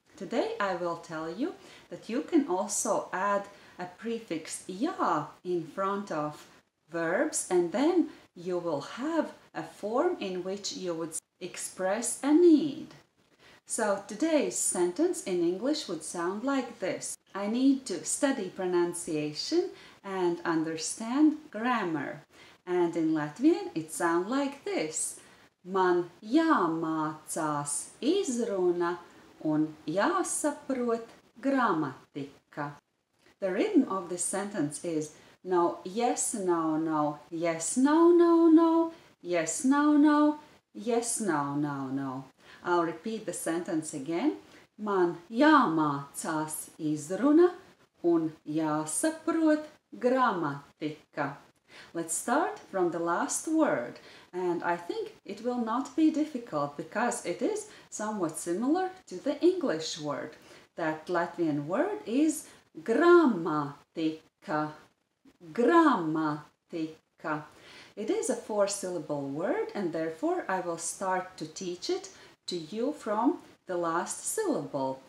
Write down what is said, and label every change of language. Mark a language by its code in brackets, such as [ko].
[en] Today I will tell you that you can also add a prefix ja in front of verbs, and then you will have a form in which you would express a need. So today's sentence in English would sound like this. I need to study pronunciation and understand grammar. And in Latvian it sounds like this. [lv] Man jāmācās izruna un jāsaprot gramatika. [en] The rhythm of this sentence is no, yes, no, no, yes, no, no, no, yes, no, no, yes, no, no, no. I'll repeat the sentence again. [lv] Man jāmācās izruna un jāsaprot gramatika. [en] Let's start from the last word, and I think it will not be difficult because it is somewhat similar to the English word. That Latvian word is grammatika. Grammatika. It is a four-syllable word, and therefore I will start to teach it to you from the last syllable.